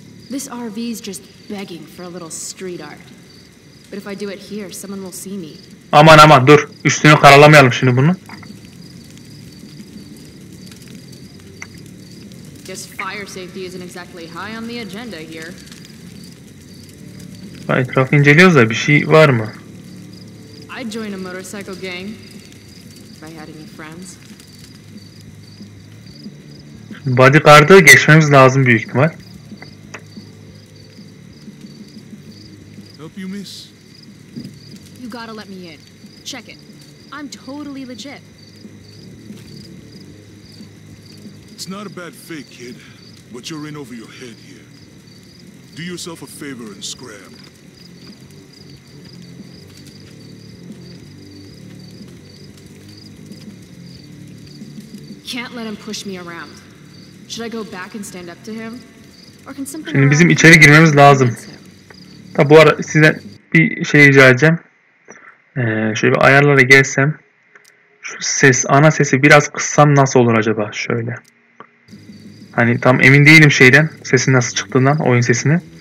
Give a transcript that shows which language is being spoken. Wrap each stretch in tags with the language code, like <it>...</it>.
<en>This RV's just begging for a little street art. But if I do it here, someone will see me.</en> <tr>Aman aman dur. Üstünü karalamayalım şimdi bunun.</tr> <en>Guess fire safety isn't exactly high on the agenda here.</en> <tr>Ben etrafı inceliyoruz da bir şey var mı?</tr> <en>I'd join a motorcycle gang if I had any friends.</en> <tr>Bodyguard'ı geçmemiz lazım büyük ihtimal.</tr> <en>Gotta let me in. Check it. I'm totally legit. It's not a bad fake, kid, but you're in over your head here. Do yourself a favor and scram. Can't let him push me around. Should I go back and stand up to him? Or can something?</en> <tr>Şimdi bizim içeri girmemiz lazım. Ta bu arada sizden bir şey rica edeceğim. Şöyle bir ayarlara gelsem, şu ses, ana sesi biraz kıssam nasıl olur acaba şöyle. Hani tam emin değilim şeyden, sesin nasıl çıktığından, oyun sesini.</tr>